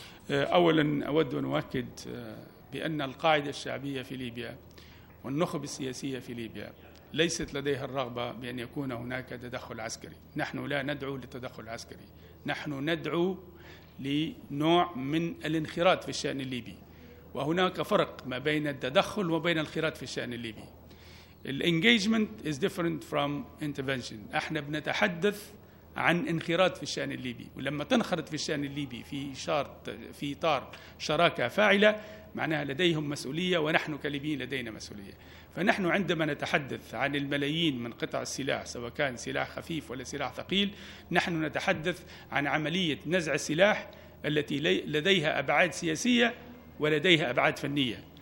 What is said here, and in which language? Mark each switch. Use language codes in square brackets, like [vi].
[ar] أولا أود أن أؤكد بأن القاعدة الشعبية في ليبيا والنخب السياسية في ليبيا ليست لديها الرغبة بأن يكون هناك تدخل عسكري. نحن لا ندعو للتدخل عسكري. نحن ندعو لنوع من الانخراط في الشأن الليبي. وهناك فرق ما بين التدخل وبين الانخراط في الشأن الليبي. [en] الانجيجمنت is different from intervention. [ar] احنا بنتحدث عن انخراط في الشأن الليبي، ولما تنخرط في الشأن الليبي في اطار شراكة فاعلة معناها لديهم مسؤولية ونحن كليبيين لدينا مسؤولية. فنحن عندما نتحدث عن الملايين من قطع السلاح سواء كان سلاح خفيف ولا سلاح ثقيل، نحن نتحدث عن عملية نزع السلاح التي لديها أبعاد سياسية ولديها أبعاد فنية.